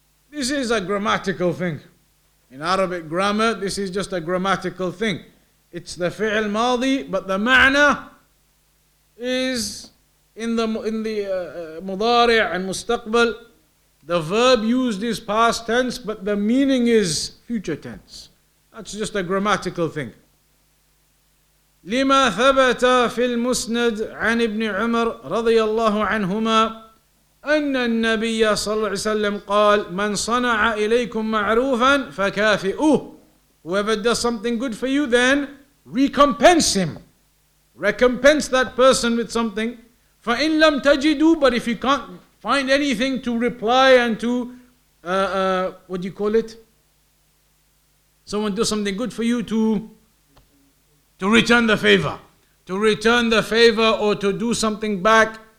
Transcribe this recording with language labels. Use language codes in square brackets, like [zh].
[en] This is a grammatical thing. In Arabic grammar, this is just a grammatical thing. It's the fi'l madi, but the ma'na is in the mudari' and mustaqbal. The verb used is past tense, but the meaning is future tense. That's just a grammatical thing. [ar] لِمَا ثَبَتَ فِي الْمُسْنَدِ عَنْ إِبْنِ عُمَرْ رَضِيَ اللَّهُ عَنْهُمَا أن النبي صلى الله عليه وسلم قال من صنع إليكم معروفا فكافئوه. [en] Whoever does something good for you, then recompense him. Recompense that person with something. [ar] فإن لم تجدوا, [en] but if you can't find anything to reply and to what do you call it? Someone does something good for you to return the favor, to return the favor or to do something back.